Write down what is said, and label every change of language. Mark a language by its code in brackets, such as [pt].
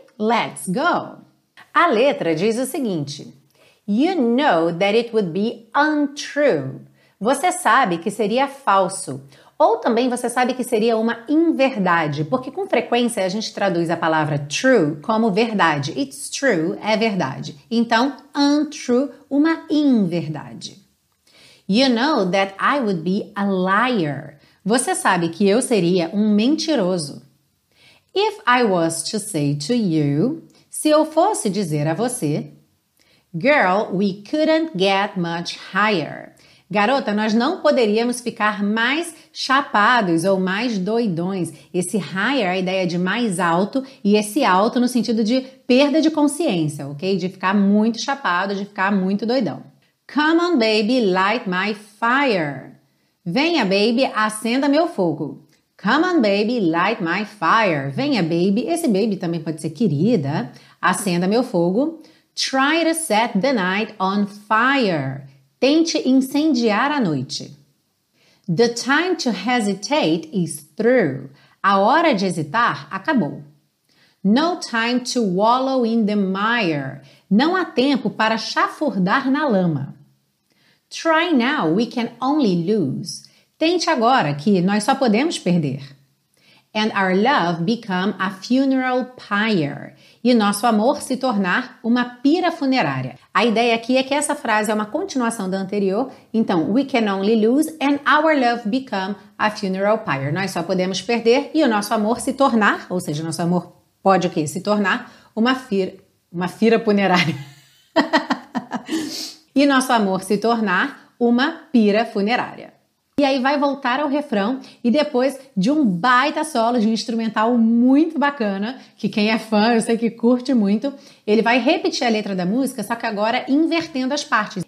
[en] Let's go! [pt] A letra diz o seguinte: [en] You know that it would be untrue. [pt] Você sabe que seria falso. Ou também você sabe que seria uma inverdade, porque com frequência a gente traduz a palavra true como verdade. [en] It's true, [pt] é verdade. Então, untrue, uma inverdade. [en] You know that I would be a liar. [pt] Você sabe que eu seria um mentiroso. [en] If I was to say to you, [pt] se eu fosse dizer a você, [en] girl, we couldn't get much higher. [pt] Garota, nós não poderíamos ficar mais chapados ou mais doidões. Esse higher é a ideia de mais alto e esse alto no sentido de perda de consciência, ok? De ficar muito chapado, de ficar muito doidão. [en] Come on, baby, light my fire. [pt] Venha, baby, acenda meu fogo. [en] Come on, baby, light my fire. [pt] Venha, baby, esse baby também pode ser querida. Acenda meu fogo. [en] Try to set the night on fire. [pt] Tente incendiar a noite. [en] The time to hesitate is through. [pt] A hora de hesitar acabou. [en] No time to wallow in the mire. [pt] Não há tempo para chafurdar na lama. [en] Try now, we can only lose. [pt] Tente agora, que nós só podemos perder. [en] And our love become a funeral pyre. [pt] E nosso amor se tornar uma pira funerária. A ideia aqui é que essa frase é uma continuação da anterior. [en] Então, we can only lose and our love become a funeral pyre. [pt] Nós só podemos perder e o nosso amor se tornar, ou seja, nosso amor pode o quê? Se tornar uma fira funerária. E nosso amor se tornar uma pira funerária. E aí vai voltar ao refrão e depois de um baita solo, de um instrumental muito bacana, que quem é fã, eu sei que curte muito, ele vai repetir a letra da música, só que agora invertendo as partes.